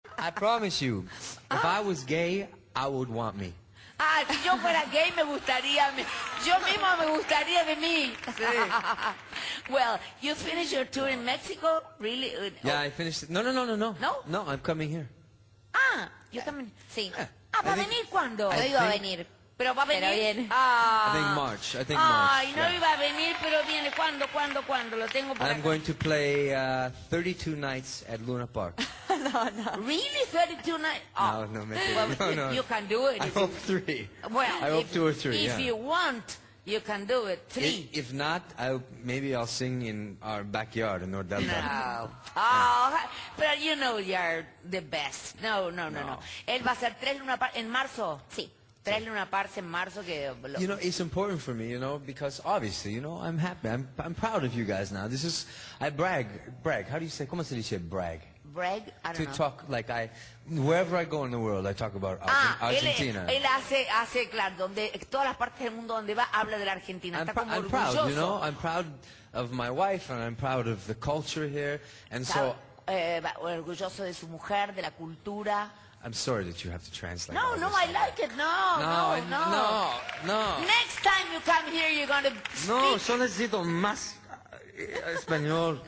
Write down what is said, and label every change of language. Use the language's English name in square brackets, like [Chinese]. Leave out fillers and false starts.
[English] I promise you, if I was gay, I would want me. [Spanish] Ah, si yo fuera gay, me gustaría, yo mismo me gustaría de mí. [English] Well, you finished your tour in Mexico, really? Yeah, I finished. No, no, no, no, no. No? No, I'm coming here. Ah, you're coming? [Spanish] Sí. Ah, ¿va a venir cuándo? No iba a venir. Pero va a venir. Pero viene. Ah. [English] I think March. I think March. [Spanish] Ay, no iba a venir, pero viene. ¿Cuándo, cuándo, cuándo? Lo tengo por acá. [English] I'm going to play 32 nights at Luna Park. No, no. Really? 32 nights? Oh. No, no, maybe. Well, no, no. You can do it. I hope three. Well, I hope two or three, if you want, you can do it. Three. If not, maybe I'll sing in our backyard in North Delta. No. Oh, yeah. But you know you're the best. No, no, no, no, no. [Spanish] Él va a ser tres Luna Park en marzo. Sí. Tres Luna Parks en marzo que... [English] You know, it's important for me, you know, because obviously, you know, I'm happy. I'm proud of you guys now. This is... I brag. Brag. How do you say... [Spanish] ¿Cómo se dice brag? [English] Brag, to talk like I, wherever I go in the world, I talk about Argentina. [Spanish] Ah, él hace claro, donde todas las partes del mundo donde va habla de la Argentina. [English] I'm, [Spanish] está como [English] I'm proud, you know. I'm proud of my wife and I'm proud of the culture here. And so, [Spanish] orgulloso de su mujer, de la cultura. [English] I'm sorry that you have to translate. No, no, this. I like it. No, no, no, I, no, no, no. Next time you come here, you're gonna speak. [Spanish] No, yo necesito más español.